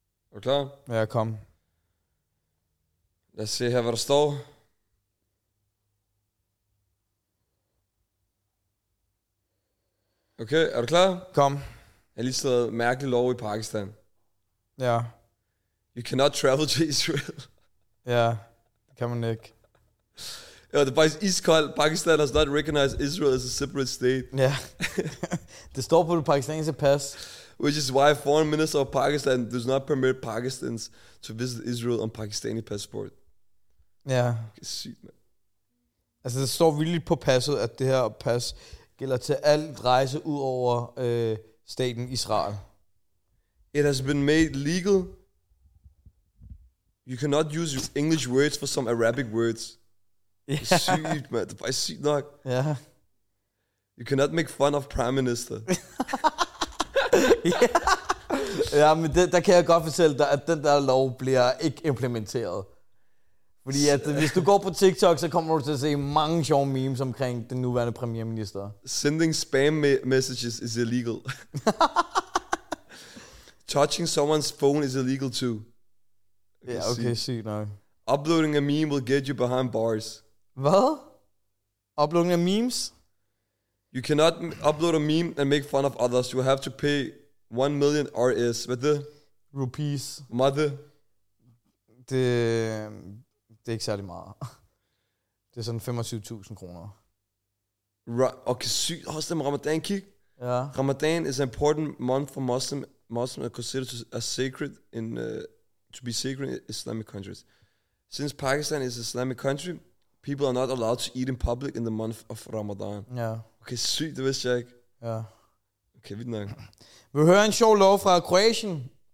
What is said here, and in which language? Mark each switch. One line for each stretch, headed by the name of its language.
Danish: Er du klar? Ja, kom. Lad os se her, hvad der står. Okay, er du klar? Kom. Jeg har lige stået mærkelig lov i Pakistan. Ja.
English: You cannot travel to Israel.
Danish: Ja, det kan man ikke. Ja, det er faktisk iskoldt.
English: Pakistan has not recognized Israel as a separate state.
Danish: Ja. Det står på det pakistanske pas.
English: Which is why foreign minister of Pakistan does not permit Pakistans to visit Israel on Pakistani passport.
Danish: Ja. Det er sygt, man. Altså, det står vildt på passet, at det her pas gælder til al rejse ud over staten Israel.
English: It has been made legal. You cannot use English words for some Arabic words. Yeah.
Danish: Det er sygt, man. Det er faktisk sygt nok. Ja. Yeah.
English: You cannot make fun of prime minister. Yeah.
Danish: Ja, men det, der kan jeg godt fortælle dig, at den der lov bliver ikke implementeret. Fordi at, hvis du går på TikTok, så kommer du til at se mange sjove memes omkring den nuværende premierminister.
English: Sending spam messages is illegal. Touching someone's phone is illegal too.
Danish: Ja, yeah, okay, sygt nok.
English: Uploading a meme will get you behind bars.
Danish: Hvad?
English: Uploading a memes? You cannot upload a meme and make fun of others. You have to pay 1 million RS.
Danish: Hvad det?
English: Rupees. Mother.
Danish: Det er ikke særlig meget. Det er sådan 25.000 kroner. Okay, sygt. Også det med Ramadan, kig. Ja.
English: Ramadan is an important month for Muslims are considered as sacred in to be sacred in Islamic countries. Since Pakistan is an Islamic country, people are not allowed to eat in public in the month of Ramadan.
Danish: Ja. Okay, sygt, det vidste jeg ikke. Ja. Okay, vidt nok. Vi hører en sjov lov fra Kroatien.